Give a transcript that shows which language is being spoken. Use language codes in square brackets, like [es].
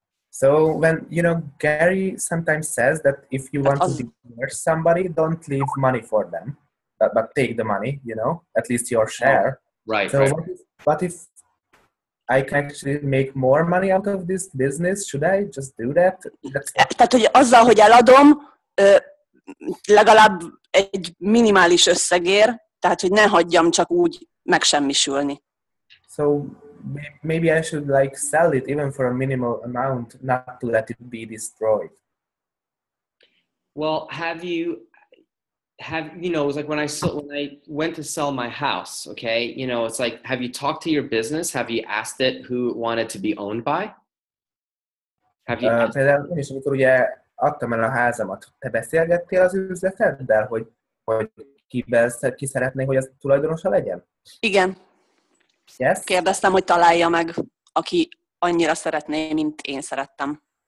[en] So when, you know, Gary sometimes says that if you want to divorce somebody, don't leave money for them, but take the money, you know, at least your share. Oh, right. So right. What if I can actually make more money out of this business? Should I just do that? [hu] Tehát, hogy azzal, hogy eladom, legalább egy minimális összegér, tehát, hogy ne hagyjam csak úgy megsemmisülni. [en] So... Maybe I should like sell it even for a minimal amount, not to let it be destroyed. Well, have you, it was like when I went to sell my house, okay? You know, it's like, have you talked to your business? Have you asked it who it wanted to be owned by? Have you asked [hu] például, és amikor ugye adtam el a házamat, te beszélgettél az üzleteddel, hogy ki szeretné, hogy az tulajdonosa legyen? Igen. [en] Yes. [hu] Kérdeztem, hogy találja meg, aki annyira szeretné, mint én szerettem.